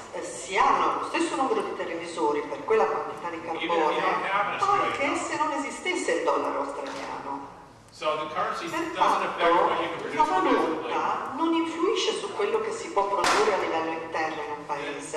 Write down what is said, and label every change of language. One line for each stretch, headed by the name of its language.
Italian: Si hanno lo stesso numero di televisori per quella quantità di carbone, anche se non esistesse il dollaro australiano.
English: So the currency doesn't affect what you can produce.
Italian: La valuta non influisce su quello che si può produrre a livello interno in un paese.